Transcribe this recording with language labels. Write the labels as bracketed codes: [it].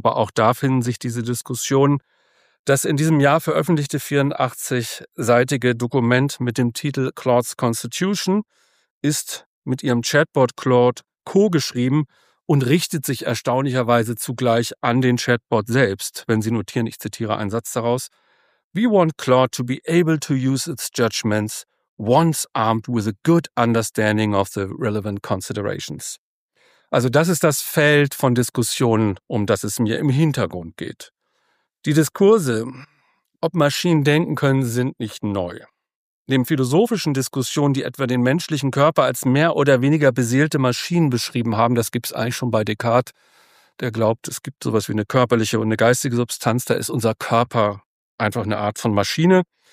[de] Aber auch da finden sich diese Diskussionen. Das in diesem Jahr veröffentlichte 84-seitige Dokument mit dem Titel Claude's Constitution ist mit ihrem Chatbot Claude co-geschrieben und richtet sich erstaunlicherweise zugleich an den Chatbot selbst. Wenn Sie notieren, ich zitiere einen Satz daraus. [en] We want Claude to be able to use its judgments once armed with a good understanding of the relevant considerations. [de] Also das ist das Feld von Diskussionen, um das es mir im Hintergrund geht. Die Diskurse, ob Maschinen denken können, sind nicht neu. Neben philosophischen Diskussionen, die etwa den menschlichen Körper als mehr oder weniger beseelte Maschinen beschrieben haben, das gibt es eigentlich schon bei Descartes, der glaubt, es gibt sowas wie eine körperliche und eine geistige Substanz, da ist unser Körper einfach eine Art von Maschine.